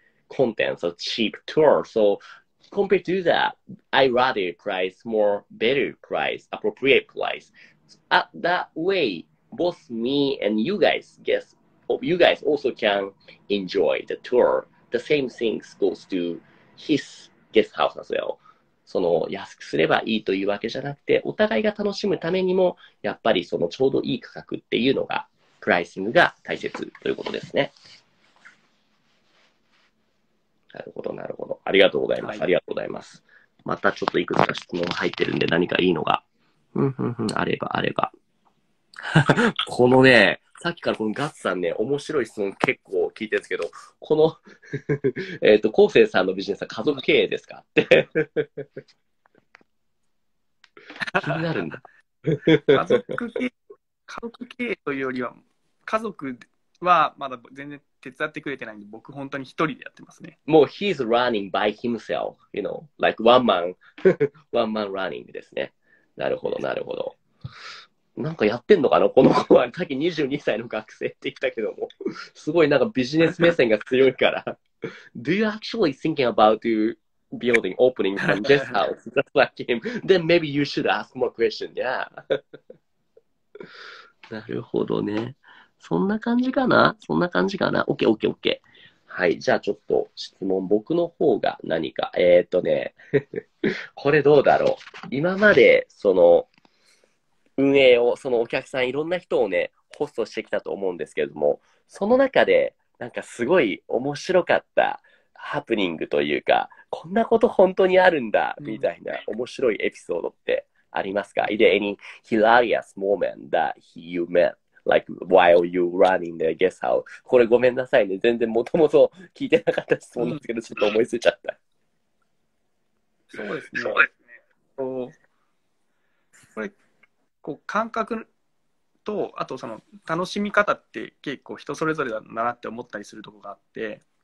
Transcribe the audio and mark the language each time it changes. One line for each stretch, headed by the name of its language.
English: Contents of cheap tour. So compared to that, I'd rather price more better price, appropriate price. That way, both me and you guys, you guys also can enjoy the tour. The same thing goes to his guest house as well.
Japanese: その安くすればいいというわけじゃなくて、お互いが楽しむためにも、やっぱりそのちょうどいい価格っていうのが、プライシングが大切ということですね。なるほど、なるほど。ありがとうございます。ありがとうございます。はい、またちょっといくつか質問が入ってるんで、何かいいのが、あれば、あれば。このね、さっきからこのガッツさんね、面白い質問結構聞いてるんですけど、この昴生さんのビジネスは家族経営ですかって気になるんだ。家族経営というよりは、家族はまだ全然手伝ってくれてないんで、僕本当に一人でやってますね。
English: もう he's running by himself, you know, like one man running ですね。
Japanese: なるほど、なるほど。なんかやってんのかな、この子は。さっき22歳の学生って言ったけども、すごいなんかビジネス目線が強いから。
English: Do you actually thinking about you building opening from this house? That's like him. Then maybe you should ask more questions, yeah.
Japanese: なるほどね。そんな感じかな、そんな感じかな。
English: OK, OK, OK.
Japanese: はい、じゃあちょっと質問、僕の方が何か。これどうだろう。今までその運営を、そのお客さん、いろんな人をね、ホストしてきたと思うんですけれども、その中で、なんかすごい面白かったハプニングというか、こんなこと本当にあるんだ、みたいな面白いエピソードってありますか？
English: Is there any hilarious moment that you met? Like, while you running the guest house.
Japanese: これごめんなさいね。全然もともと聞いてなかった質問なんですけど、ちょっと思いついちゃった。そうですね。これこう、感覚と、あとその楽しみ方って結構人それぞれだなって思ったりするところがあって、